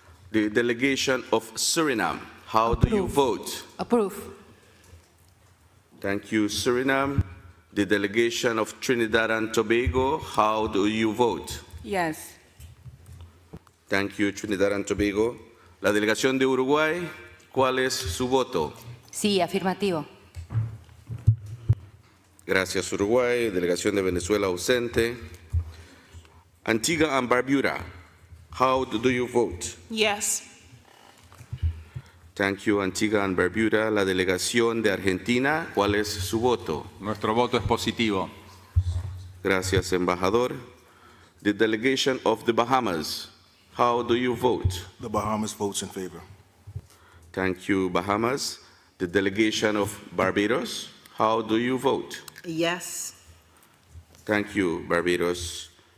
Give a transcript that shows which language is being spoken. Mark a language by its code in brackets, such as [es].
[en] The delegation of Suriname, how do you vote? Approve. Thank you, Suriname. The delegation of Trinidad and Tobago, how do you vote? Yes. Thank you, Trinidad and Tobago. [es] La delegación de Uruguay, ¿cuál es su voto? Sí, afirmativo. Gracias, Uruguay. Delegación de Venezuela ausente. [en] Antigua and Barbuda, how do you vote? Yes. Thank you, Antigua and Barbuda. [es] La delegación de Argentina, ¿cuál es su voto? Nuestro voto es positivo. Gracias, embajador. [en] The delegation of the Bahamas, how do you vote? The Bahamas votes in favor. Thank you, Bahamas. The delegation of Barbados, how do you vote? Yes. Thank you, Barbados.